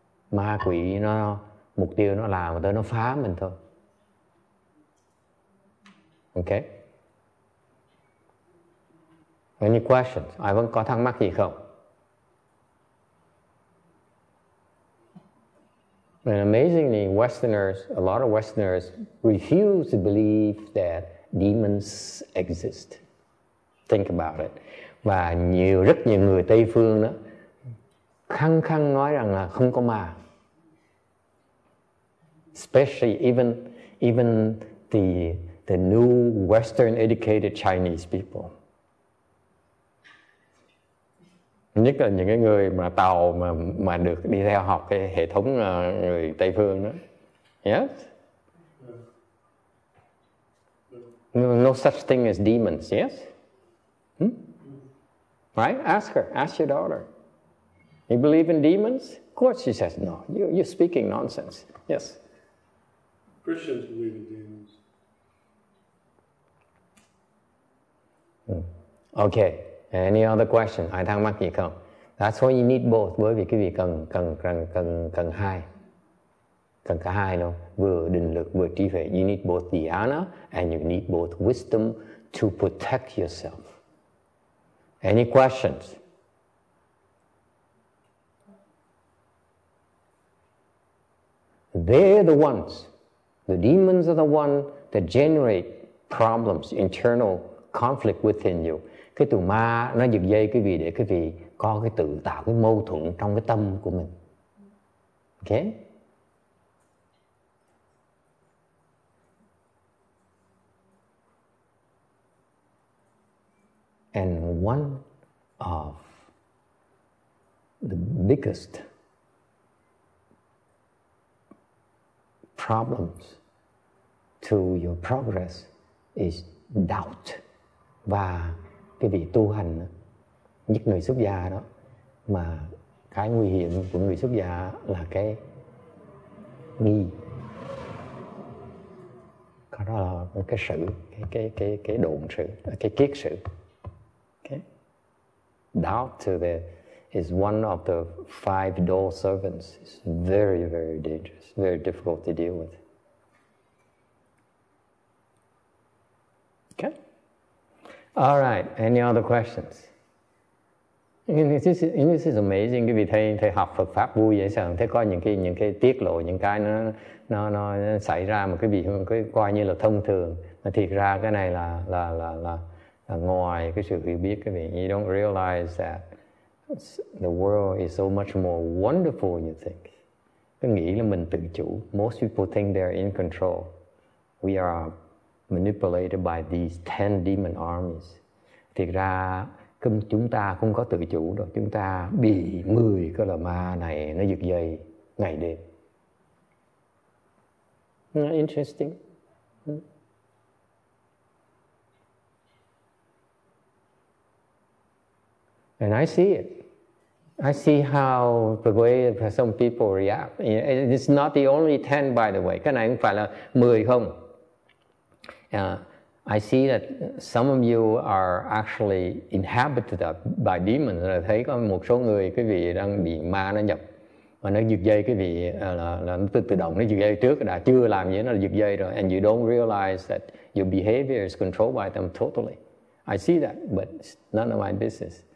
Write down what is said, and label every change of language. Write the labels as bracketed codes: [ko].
[vi] Ma quỷ nó mục tiêu nó làm tới nó phá mình thôi. [en] Okay. Any questions? [vi] Ai vẫn có thắc mắc gì không? [en] And amazingly, Westerners, a lot of Westerners refuse to believe that demons exist. Think about it. [vi] Và rất nhiều người Tây phương đó khăng khăng nói rằng là không có ma. [en] Especially even the new Western educated Chinese people. [vi] Nhất là những cái người mà tàu mà được đi theo học cái hệ thống người Tây phương đó. [en] Yes. No such thing as demons, yes? Right? Ask your daughter. You believe in demons? Of course she says no. You're speaking nonsense. Yes. Christians believe in demons. Okay. Any other question? [vi] Ai thắc mắc gì không? [en] That's why you need both. [vi] Bởi vì quý vị cần hai. Cần cả hai đâu. Vừa định lực, vừa trí huệ. [en] You need both dhyana and you need both wisdom to protect yourself. Any questions? They're the ones. The demons are the ones that generate problems, internal conflict within you. [vi] Cái tụi ma nó giật dây quý vị để quý vị có cái tự tạo cái mâu thuẫn trong cái tâm của mình. [en] Okay? And one of the biggest problems to your progress is doubt. [vi] Và cái vị tu hành nhất người xuất gia đó, mà cái nguy hiểm của người xuất gia là cái nghi, có đó là cái sự, cái đồn sự, cái kiết sự. [en] Okay. Doubt is one of the five dull servants. It's very, very dangerous, very difficult to deal with. Okay. All right, any other questions? This is amazing. [vi] Quý vị thấy thầy học Phật pháp vui dễ sợ, thấy có những cái tiết lộ những cái nó xảy ra mà quý vị cứ coi như là thông thường, mà thiệt ra cái này là ngoài cái sự hiểu biết quý vị. [en] You don't realize that the world is so much more wonderful than you think. [vi] Cứ nghĩ là mình tự chủ. [en] Most people think they're in control. We are manipulated by these 10 demon armies. [vi] Thiệt ra chúng ta không có tự chủ đâu, chúng ta bị 10 cái lò ma này nó giật dây ngày đêm. [en] Interesting. And I see it. I see how the way some people react. It's not the only 10, by the way. [vi] Cái này không phải là 10 không. [en] I see that some of you are actually inhabited by demons. [vi] Là thấy có một số người quý vị đang bị ma nó nhập và nó giật dây quý vị là nó tự động nó giật dây trước đã chưa làm gì nó giật dây rồi. [en] And you don't realize that your behavior is controlled by them totally. I see that, but it's none of my business.